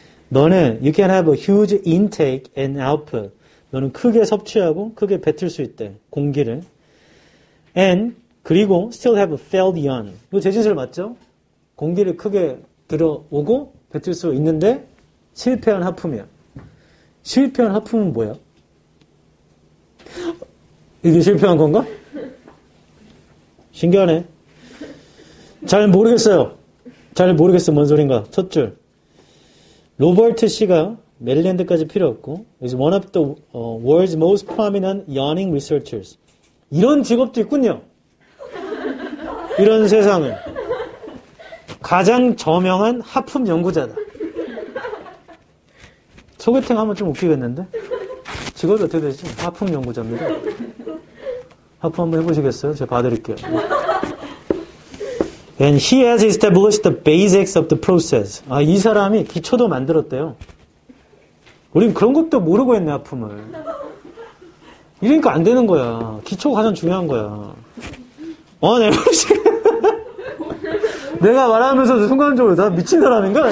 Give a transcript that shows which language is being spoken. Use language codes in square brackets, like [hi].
[ko] 너는 [en] you can have a huge intake and output. [ko] 너는 크게 섭취하고 크게 뱉을 수 있대. 공기를. And 그리고 [en] still have a failed yawn. [ko] 이거 재진 소리 맞죠? 공기를 크게 들어오고 뱉을 수 있는데 실패한 하품이야. 실패한 하품은 뭐야? 이게 실패한 건가? 신기하네. 잘 모르겠어요. 잘 모르겠어. 뭔 소린가. 첫 줄. 로버트 씨가 메릴랜드까지 필요 없고 [en] is one of the world's most prominent yawning researchers. [ko] 이런 직업도 있군요. 이런 세상을. 가장 저명한 하품 연구자다. 소개팅 하면 좀 웃기겠는데? 직업이 어떻게 되지? 하품 연구자입니다. 하품 한번 해보시겠어요? 제가 봐드릴게요. [en] And he has established the basics of the process. [ko] 아, 이 사람이 기초도 만들었대요. 우린 그런 것도 모르고 했네, 하품을. 이러니까 안 되는 거야. 기초가 가장 중요한 거야. 어, 내 말씀. 내가 말하면서도 순간적으로 나 미친 사람인가?